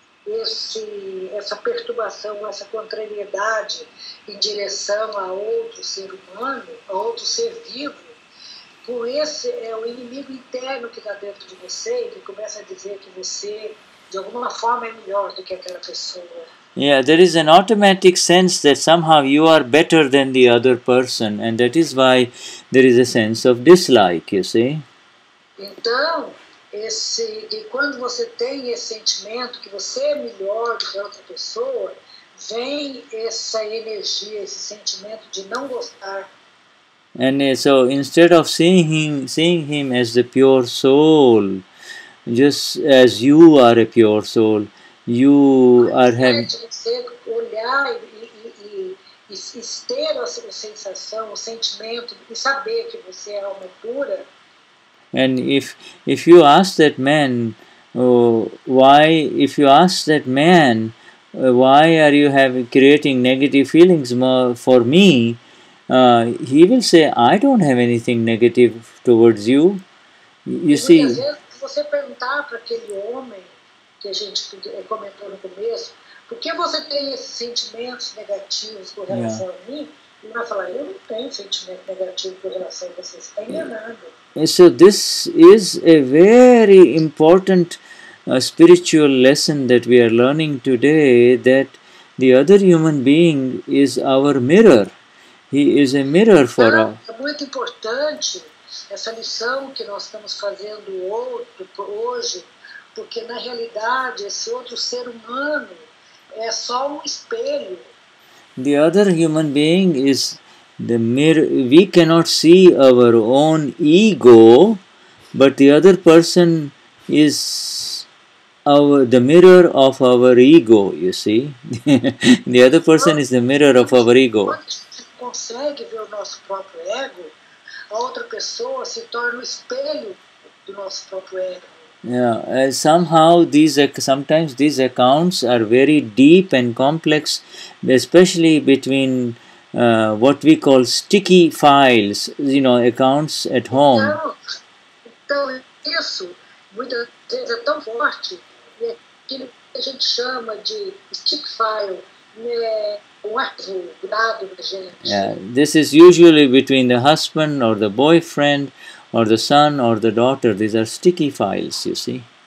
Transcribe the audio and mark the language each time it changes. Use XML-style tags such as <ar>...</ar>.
<pt>E sentindo essa perturbação, essa contrariedade em direção a outro ser humano, a outro ser vivo, com esse é o inimigo interno que está dentro de você e que começa a dizer que você, de alguma forma, é melhor do que aquela pessoa.</pt> <en>Yeah, there is an automatic sense that somehow you are better than the other person, and that is why there is a sense of dislike, you see.</en> <pt>Então, e quando você tem esse sentimento que você é melhor do que a outra pessoa, vem essa energia, esse sentimento de não gostar.</pt> <en>And so, instead of seeing him as the pure soul, just as you are a pure soul, you are having...</en> <pt>Você olhar e ter a sensação, o sentimento, e saber que você é alma pura.</pt> <en>And if you ask that man, why are you creating negative feelings for me? He will say, I don't have anything negative towards you. You e see.</en> <pt>Se você perguntar para aquele homem que a gente comentou no começo, por que você tem esses sentimentos negativos com relação a mim? Ele vai falar, eu não tenho sentimento negativo com relação a você. Está enganado.</pt> <en>So this is a very important spiritual lesson that we are learning today, that the other human being is our mirror. He is a mirror for us.</en> <pt>É muito importante essa lição que nós estamos fazendo hoje, porque na realidade esse outro ser humano é só espelho.</pt> <en>The other human being is... The mirror, we cannot see our own ego, but the other person is the mirror of our ego, you see. The other person is the mirror of our ego.</en> <pt>Consegue ver o nosso próprio ego, a outra pessoa se torna o espelho do nosso próprio ego.</pt> <en>Yeah, somehow sometimes these accounts are very deep and complex, especially between what we call sticky files, you know, accounts at home.</en> <pt>Então, isso muitas vezes é tão forte, e aquilo que a gente chama de stick file,</pt> <en>Yeah, this is usually between the husband or the boyfriend or the son or the daughter. These are sticky files, you see.</en>